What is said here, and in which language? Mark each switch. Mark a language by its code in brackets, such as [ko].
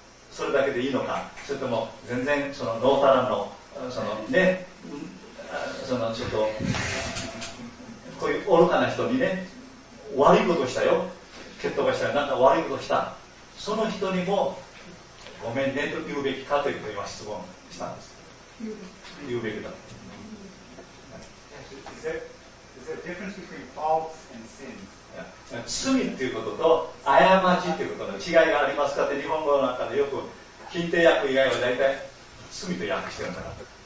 [ja] それだけでいいのか、それとも全然そのノータランのそのね、そのちょっとこういう愚かな人にね、悪いことしたよ、蹴っ飛ばしたよ、なんか悪いことした、その人にもごめんねと言うべきかというのを今質問したんです。言うべきだ。 [en] Is there a difference between faults and sins? [ja] 罪ということと過ちということの違いがありますかって日本語の中でよく禁定訳以外は大体罪と訳してるんだなと。